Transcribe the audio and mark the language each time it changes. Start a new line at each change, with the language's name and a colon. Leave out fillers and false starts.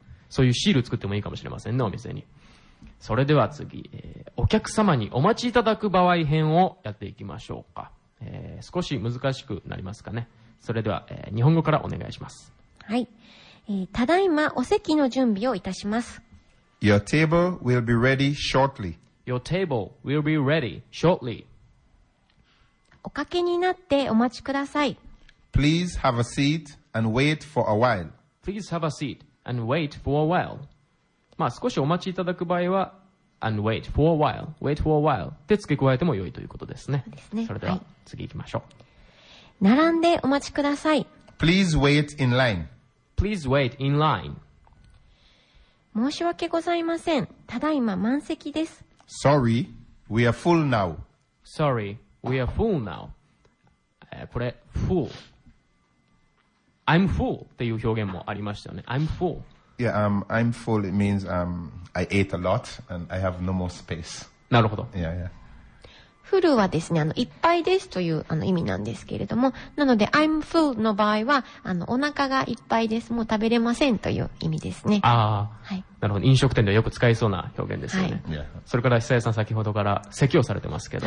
Japanese: そういうシール作ってもいいかもしれませんね、お店に。それでは次、お客様にお待ちいただく場合編をやっていきましょうか。少し難しくなりますかね。それでは、日本語からお願いします。はい、ただいまお席の準備をいたします。
English: Your table will be ready shortly. Your table will be ready shortly.
Japanese: おかけになってお待ちください。
English: Please have a seat and wait for a while. Please have a seat and wait for a while.
Japanese: まあ少しお待ちいただく場合は
English: And wait for a while. Wait for a while.
Japanese: で付け加えても良いということですね。ですね。それでは、はい、次行きましょう。並んでお待ちください。
English: Please wait in line. Please wait in line.
Japanese: 申し訳ございません。ただいま満席です。
English: Sorry, we are full now. Sorry, we are full now.
Japanese: これ、
English: full。 I'm full
Japanese: っていう表現もありましたよね。
English: I'm full. Yeah, I'm full. It means I ate a lot and I have no more space.
Japanese: なるほど。
English: Yeah, yeah.
Japanese: Full はですね、いっぱいですという意味なんですけれども、なので
English: I'm full
Japanese: の場合はお腹がいっぱいです、もう食べれませんという意味ですね。ああ、はい。なるほど。飲食店ではよく使いそうな表現ですよね。はい。それから久江さん先ほどから咳をされてますけど、